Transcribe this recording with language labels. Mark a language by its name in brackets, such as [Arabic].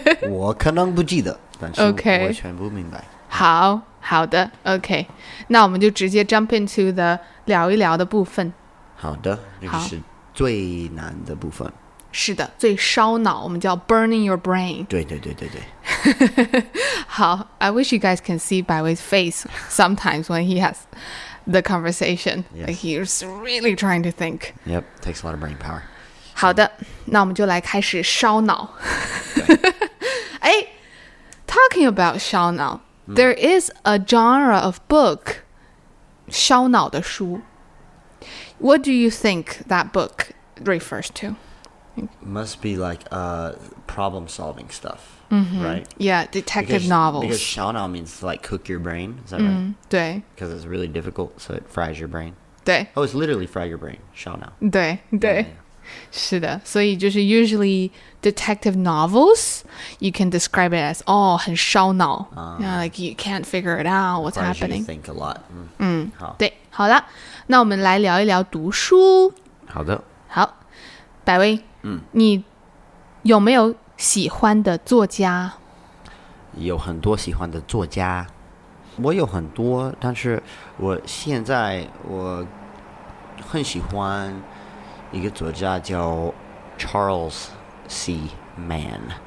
[Chinese] 我可能不记得，但是 [English] okay, [Chinese] 我全部明白。好，好的 ，OK， 那我们就直接 [English] jump into the [Chinese] 聊一聊的部分。好的，那个是最难的部分。是的，最烧脑，我们叫 [English] burning your brain。 [Chinese] 对对对对对。 [English] 好 ，I wish you guys can see Baiwei's face sometimes when he has the conversation. Yes. Like he's really trying to think. Yep, takes a lot of brain power. [Chinese] 好的，那我们就来开始烧脑。 [English] 哎，talking about 烧脑。There is a genre of book, [Chinese] 烧脑的书. [English] What do you think that book refers to? Must be like problem-solving stuff, right? Yeah, detective novels. Because 烧脑 means like cook your brain, is that right? [Chinese] 对. [English] Because it's really difficult, so it fries your brain. [Chinese] 对. [English] Oh, it's literally fry your brain, 烧脑. [Chinese] 对, 对. [English] Yeah, yeah. [Chinese] 是的, 所以就是 [English] usually... Detective novels, you can describe it as, oh, [Chinese] 很烧脑 [English] like you can't figure it out, what's happening. You think a lot. [Chinese] 好。对，好了，那我们来聊一聊读书。好的。好，百威，你有没有喜欢的作家？有很多喜欢的作家，我有很多，但是我现在我很喜欢一个作家叫 Charles. C. Mann.